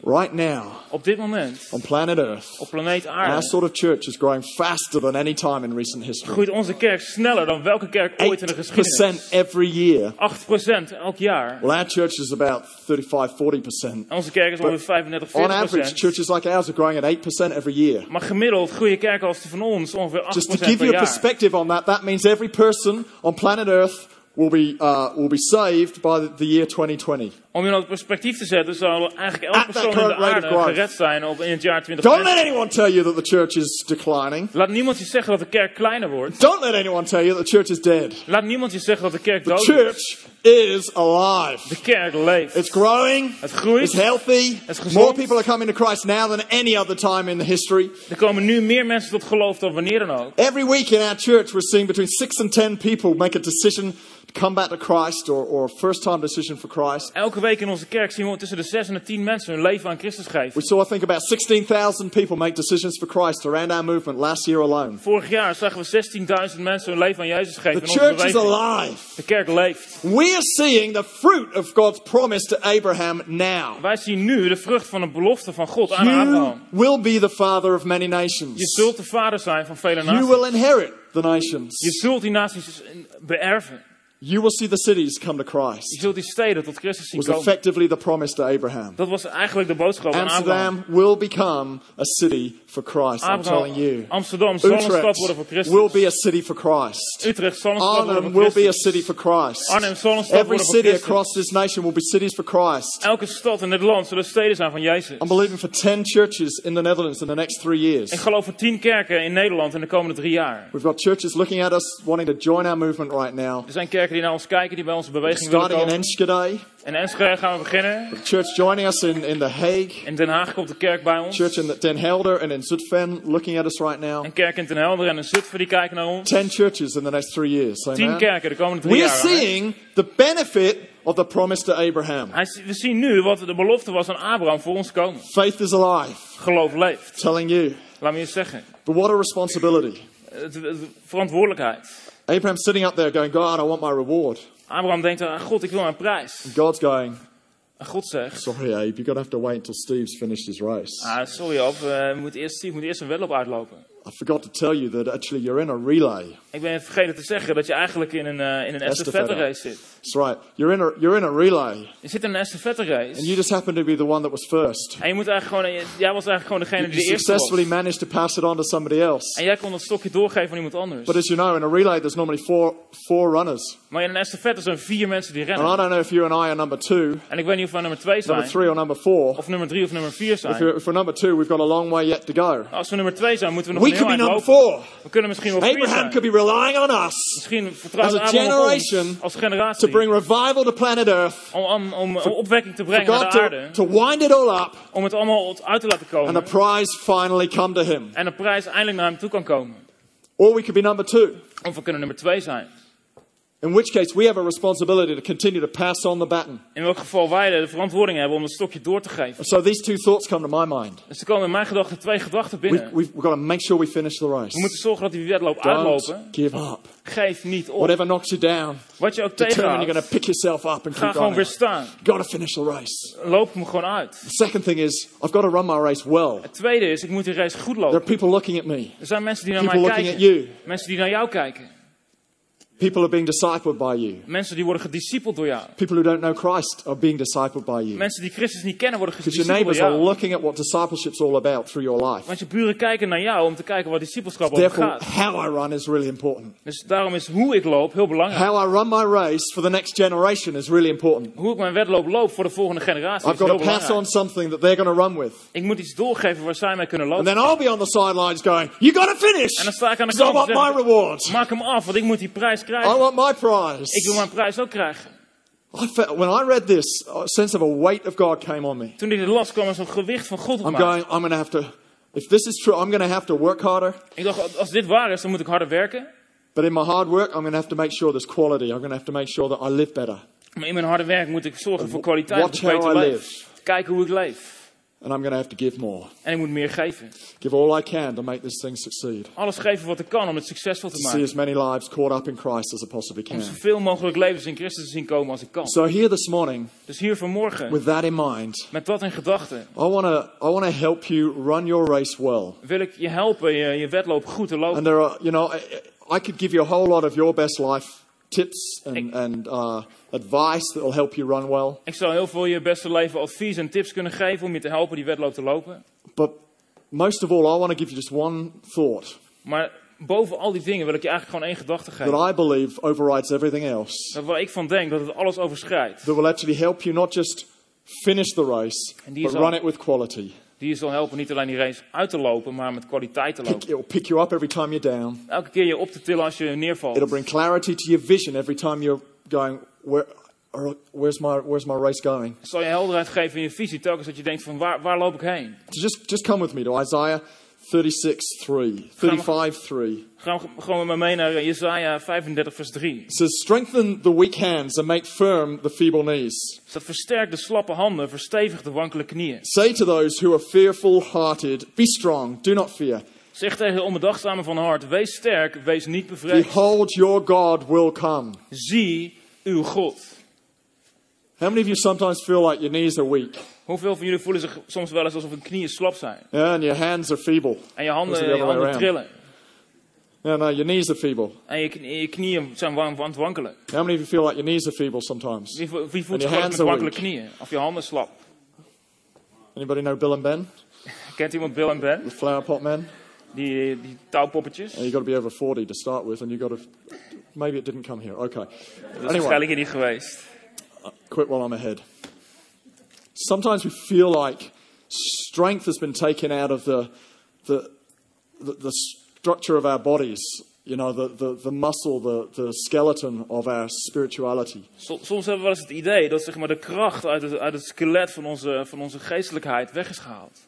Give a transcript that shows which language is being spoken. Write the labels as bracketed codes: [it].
[en] Right now. [nl] Op dit moment. [en] On planet Earth. [nl] Op planeet Aarde. [en] Our sort of church is growing faster than any time in recent history. [nl] Groeit onze kerk sneller dan welke kerk ooit in de geschiedenis. [en] 8% every year. [nl] 8% elk jaar. [en] Well, our church is about 35-40%. [nl] Onze kerk is ongeveer 35-40%. [en] On average, churches like ours are growing at 8% every year. [nl] Maar gemiddeld groeien kerken als die van ons ongeveer 8% per jaar. [en] Just to give you a perspective on that, that means every person on planet Earth will be saved by the year 2020. [nl] Om je nou het perspectief te zetten, zou eigenlijk elke persoon in de aarde gered zijn op in het jaar 2020. [en] Don't let anyone tell you that the church is declining. [nl] Laat niemand je zeggen dat de kerk kleiner wordt. [en] Don't let anyone tell you that the church is dead. [nl] Laat niemand je zeggen dat de kerk dood is. [en] The church is alive. [nl] De kerk leeft. [en] It's growing. [nl] Het groeit. [en] It's healthy. [nl] Het is gezond. [en] More people are coming to Christ now than any other time in the history. [nl] Er komen nu meer mensen tot geloof dan wanneer dan ook. [en] Every week in our church we're seeing between 6 and 10 people make a decision to come back to Christ or a first time decision for Christ. [nl] Elke week in onze kerk zien we tussen de 6 en de 10 mensen hun leven aan Christus geven. [en] We saw I think about 16,000 people make decisions for Christ around our movement last year alone. [nl] Vorig jaar zagen we 16,000 mensen hun leven aan Jezus geven. [en] The church is alive. [nl] De kerk leeft. [en] We are seeing the fruit of God's promise to Abraham now. [nl] Wij zien nu de vrucht van de belofte van God aan Abraham. [en] You will be the father of many nations. [nl] Je zult de vader zijn van vele naties. [en] You will inherit the nations. [nl] Je zult die naties beërven. [en] You will see the cities come to Christ. [nl] Je zult die steden tot Christus zien komen. [en] Was effectively the promise to Abraham. [nl] Dat was eigenlijk de boodschap aan Abraham. [en] Amsterdam will become a city for Christ. Abraham, I'm telling you. [nl] Amsterdam zal een stad worden voor Christus. [en] Will be a city for Christ. [nl] Utrecht zal een stad worden voor Christus. [en] Will be a city for Christ. [nl] Arnhem zal een stad worden voor Christus. [en] Every city across this nation will be cities for Christ. [nl] Elke stad in dit land zullen steden zijn van Jezus. [en] I'm believing for 10 churches in the Netherlands in the next 3 years. [nl] Ik geloof voor 10 kerken in Nederland in de komende 3 jaar. [en] We've got churches looking at us wanting to join our movement right now. [nl] Die naar ons kijken, die bij onze beweging [en] starting in Enschede. [nl] In Enschede gaan we beginnen. [en] The church joining us in The Hague. [nl] In Den Haag komt de kerk bij ons. [en] Church in Den Helder and in Zutphen looking at us right now. [nl] Een kerk in Den Helder en in Zutphen die kijken naar ons. [en] 10 churches in the next 3 years. Amen. [nl] 10 kerken de komende 3 [en] we [nl] jaar. [en] We are seeing right? The benefit of the promise to Abraham. [nl] We zien nu wat de belofte was aan Abraham voor ons komen. [en] Faith is alive. [nl] Geloof leeft. [en] Telling you. [nl] Laat me je zeggen. [en] But what a responsibility. [nl] Verantwoordelijkheid. [en] Abraham's sitting up there going, God, I want my reward. [nl] Abraham denkt aan God, ik wil mijn prijs. [en] And God's going. [nl] En God zegt. [en] Sorry, Abe, you're gonna have to wait until Steve's finished his race. [nl] Sorry, Abe, we moeten eerst zien, we moeten eerst een wedloop uitlopen. [en] I forgot to tell you that actually you're in a relay. [nl] Ik ben vergeten te zeggen dat je eigenlijk in een estafette race zit. [en] That's right. You're in a relay. [nl] Je zit in een estafette race. [en] And you just happened to be the one that was first. [nl] En je moet eigenlijk gewoon, jij was eigenlijk gewoon degene [en] you [nl] die eerst was. [en] You successfully managed to pass it on to somebody else. [nl] En jij kon dat stokje doorgeven aan iemand anders. [en] But as you know, in a relay there's normally four runners. [nl] Maar in een estafette zijn vier mensen die rennen. [en] And I don't know if you and I are number two. [nl] En ik weet niet of we nummer twee zijn. [en] Number three or number four. [nl] Of nummer drie of nummer vier zijn. [en] If we're number two, we've got a long way yet to go. [nl] Als we nummer twee zijn, moeten we nog [en] we [nl] heel eind lopen. [en] Four. [nl] We kunnen misschien wel Abraham vier zijn. [en] Could be relying on us as a generation [nl] als generatie [en] to bring revival to planet Earth, [nl] om opwekking te brengen God naar de aarde, [en] to wind it all up, [nl] om het allemaal uit te laten komen, [en] and a prize finally come to him. [nl] En een prijs eindelijk naar hem toe kan komen. [en] Or we could be number two. [nl] Of we kunnen nummer twee zijn. [en] In which case we have a responsibility to continue to pass on the baton. [nl] In welk geval wij de verantwoording hebben om het stokje door te geven. [en] So these two thoughts come to my mind. [nl] Dus er komen in mijn gedachten twee gedachten binnen. [en] We've got to make sure we finish the race. [nl] We moeten zorgen dat die wedloop [en] don't [nl] uitlopen. [en] Give up. [nl] Geef niet op. [en] Whatever knocks you down. [nl] Wat je ook tegenhoudt. [en] You're going to pick yourself up and [nl] ga gewoon [en] going [nl] weer staan. [en] Got to finish the race. [nl] Loop hem gewoon uit. [en] The second thing is, I've got to run my race well. [nl] Het tweede is, ik moet die race goed lopen. [en] There are people looking at me. [nl] Er zijn mensen die [en] people [nl] naar mij kijken. [en] People looking at you. [nl] Mensen die naar jou kijken. [en] People are being discipled by you. [nl] Mensen die worden gediscipeld door jou. [en] People who don't know Christ are being discipled by you. [nl] Mensen die Christus niet kennen worden gediscipeld door jou. [en] Because your neighbors are looking at what discipleship is all about through your life. [nl] Want je buren kijken naar jou om te kijken wat discipelschap over gaat. [en] Therefore, how I run is really important. [nl] Dus daarom is hoe ik loop heel belangrijk. [en] How I run my race for the next generation is really important. [nl] Hoe ik mijn wedloop loop voor de volgende generatie is heel belangrijk. [en] I've got to pass on something that they're going to run with. [nl] Ik moet iets doorgeven waar zij mee kunnen lopen. [en] And then I'll be on the sidelines going, you got to finish. [nl] En dan sta ik aan de kant. [en] I want my reward. [nl] Maak hem af, want ik moet die prijs. [en] I want my prize. [nl] Ik wil mijn prijs ook krijgen. [en] I felt, when I read this, a sense of a weight of God came on me. [nl] Toen ik dit las, kwam er zo'n gewicht van God op [en] I'm [nl] mij. [en] Going, I'm going to have to, if this is true, I'm going to have to work harder. [nl] Ik dacht, als dit waar is, dan moet ik harder werken. [en] But in my hard work, I'm going to have to make sure there's quality. I'm going to have to make sure that I live better. [nl] Maar in mijn harde werk moet ik zorgen voor kwaliteit. [en] Watch how I live. [nl] Kijken hoe ik leef. [en] And I'm going to have to give more. [nl] En ik moet meer geven. [en] Give all I can to make this thing succeed. [nl] Alles geven wat ik kan om het succesvol te maken. [en] See as many lives caught up in Christ as I possibly can. [nl] Om zoveel mogelijk levens in Christus te zien komen als ik kan. [en] So here this morning. [nl] Dus hier vanmorgen. [en] With that in mind. [nl] Met dat in gedachten. [en] I want to help you run your race well. [nl] Wil ik je helpen je wedloop goed te lopen. [en] And there are, you know, I could give you a whole lot of your best life tips and advice that will help you run well. [nl] Ik zou heel veel je beste leven advies en tips kunnen geven om je te helpen die wedloop te lopen. [en] But most of all, I want to give you just one thought. [nl] Maar boven al die dingen wil ik je eigenlijk gewoon één gedachte geven. [en] That I believe overrides everything else. [nl] Dat waar ik van denk dat het alles overschrijdt. [en] That will actually help you not just finish the race, but run it with quality. [nl] Die je zal helpen niet alleen die race uit te lopen, maar met kwaliteit te lopen. [en] It'll pick you up every time you're down. [nl] Elke keer je op te tillen als je neervalt. [en] It'll bring clarity to your vision every time you're going, where's my race going? [nl] Zal je helderheid geven in je visie telkens dat je denkt van waar loop ik heen? [en] So just come with me to Isaiah 36:3. [nl] Gaan we gewoon met me naar Jesaja 35 vers 3. [en] It says, strengthen the weak hands and make firm the feeble knees. [nl] Dat versterkt de slappe handen, verstevigt de wankele knieën. [en] Say to those who are fearful hearted, be strong, do not fear. [nl] Zeg tegen de onbedachtzame van hart, wees sterk, wees niet bevreesd. [en] Behold, your God will come. [nl] Zie uw God. [en] How many of you sometimes feel like your knees are weak? [nl] Hoeveel van jullie voelen zich soms wel eens alsof hun knieën slap zijn? [en] Yeah, and your hands are feeble. [nl] En je handen trillen. [en] Yeah, no, your knees are feeble. [nl] En je knieën zijn aan het wankelen. [en] How many of you feel like your knees are feeble sometimes? [nl] Wie voelt zich wel met wankele knieën of je handen slap? [en] Anybody know Bill and Ben? [nl] Kent iemand Bill en Ben? [en] The flowerpot men. [nl] Die touwpoppetjes. [en] And you got to be over 40 to start with, and you got to maybe it didn't come here. Okay. [nl] Dat is waarschijnlijk hier niet geweest. [en] Quit while I'm ahead. Sometimes we feel like strength has been taken out of the structure of our bodies, you know, the muscle, the skeleton of our spirituality. [nl] Soms hebben we wel eens het idee dat zeg maar de kracht uit het skelet van onze geestelijkheid weg is gehaald.